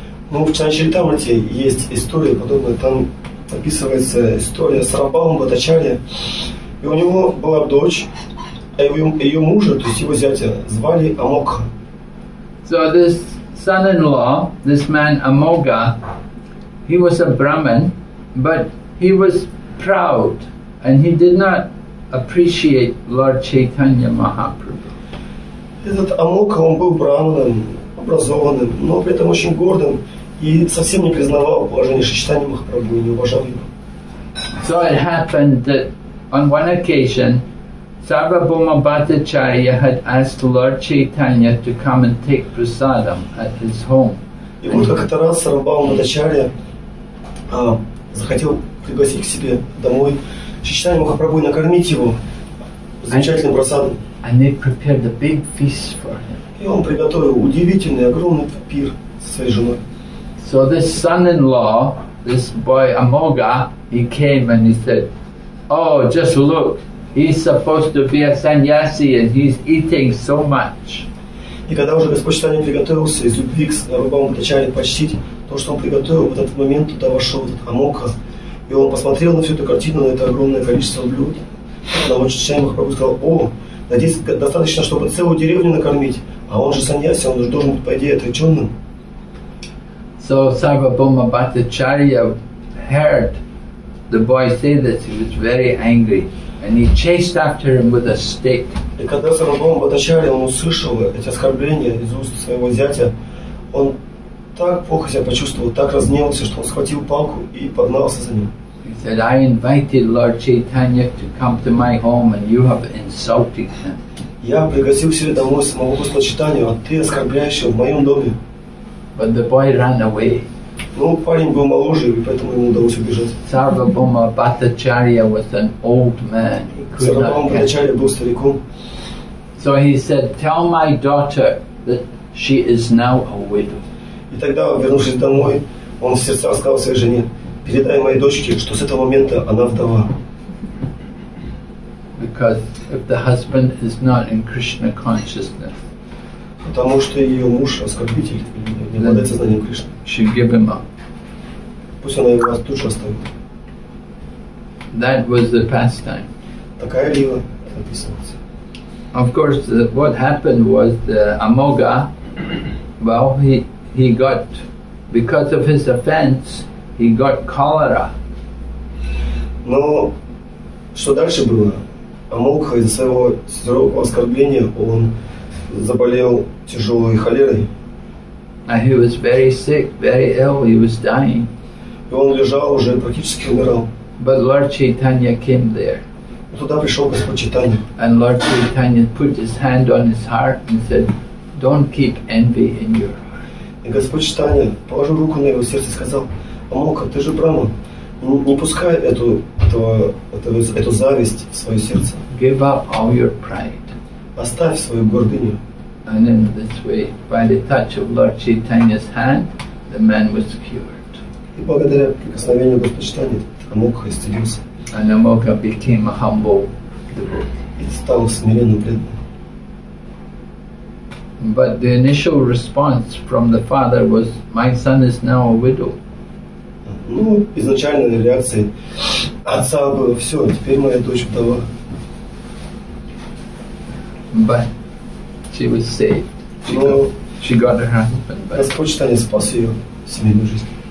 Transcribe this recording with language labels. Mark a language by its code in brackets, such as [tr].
[ru] Ну, в Чанчхитамрите есть история подобная, там описывается история Сарвабхаумы Бхаттачарьи, и у него была дочь, а ее мужа, то есть его зятя, звали Амокха. [en] So this son-in-law, this man Amoga, he was a Brahmin, but he was proud, and he did not appreciate Lord Chaitanya Mahaprabhu. [ru] Этот Амокха, он был брахманом, образованным, но при этом очень гордым, и совсем не признавал положение Шичтани Махапрабху и не уважал его. [en] So it happened that on one occasion Sarvabhauma Bhattacharya had asked Lord Chaitanya to come and take prasadam at his home. [ru] И вот как-то раз Сарвабхаума Бхаттачарья захотел пригласить к себе домой Шичтани Махапрабху и накормить его замечательным прасадом. [en] And they prepared a big feast for him. [ru] И он приготовил удивительный, огромный пир со своей женой. [en] So this son-in-law, this boy Amoga, he came and he said, oh, just look, he's supposed to be a sannyasi and he's eating so much. [ru] И когда уже Господь Читание приготовился из любви к Сарвабхауме Бхаттачарье почтить то, что он приготовил, в этот момент туда вошел этот Амока, и он посмотрел на всю эту картину, на это огромное количество блюд, на вот Читание Махапрабху сказал, о, надеюсь, достаточно, чтобы целую деревню накормить, а он же сан-яси, он же должен быть, по идее, отреченным. [en] So Sarvabhauma Bhattacharya heard the boy say this, he was very angry, and he chased after him with a stick. [ru] И когда Сарвабхаума Бхаттачарья услышал эти оскорбления из уст своего зятя, он так плохо себя почувствовал, так разгневался, что он схватил палку и погнался за ним. [en] He said, I invited Lord Chaitanya to come to my home, and you have insulted him. [ru] Я пригласил себе домой самого Господа Читания, а ты оскорбляешь его в моем доме. [en] But the boy ran away. [ru] Ну, парень был моложе, и поэтому ему удалось убежать. [en] Sarvabhauma Bhattacharya was an old man. [ru] Sarvabhauma Bhattacharya был стариком. [en] So he said, tell my daughter that she is now a widow. [ru] И тогда, вернувшись домой, он в сердцах сказал своей жене, передай моей дочке, что с этого момента она вдова. [en] Because if the husband is not in Krishna consciousness, [ru] потому что ее муж оскорбитель, не обладает сознанием Кришны. Пусть она его тут же оставит. [en] That was the pastime. [ru] Такая лила записывается. [en] Of course, what happened was Amoga, well, he got, because of his offense, he got cholera. [ru] Но что дальше было? Амокха из-за своего сурового оскорбления, он заболел тяжелой холерой. [en] And he was very sick, very ill, he was dying. [ru] И он лежал уже, практически умирал. [en] But Lord Chaitanya came there. [ru] Туда пришел Господь Чайтанья. [en] And Lord Chaitanya put his hand on his heart and said, don't keep envy in your heart. [ru] И Господь Чайтанья положил руку на его сердце и сказал, Амока, ты же браман, не пускай эту зависть в свое сердце. [en] Give up all your pride. [ru] Оставь свою гордыню. [en] And in this way, by the touch of Lord Chaitanya's hand, the man was cured. [ru] И благодаря прикосновению Господа Читания, Амокха исцелился. [en] And Амокха became a humble devotee. [ru] И стал смиренным преданным. [en] But the initial response from the father was, my son is now a widow. [ru] Ну, изначальная реакция отца была, все, теперь моя дочь вдова. [en] But she was saved. She got her husband back. [ru] Господь Читания спас ее семейную жизнь.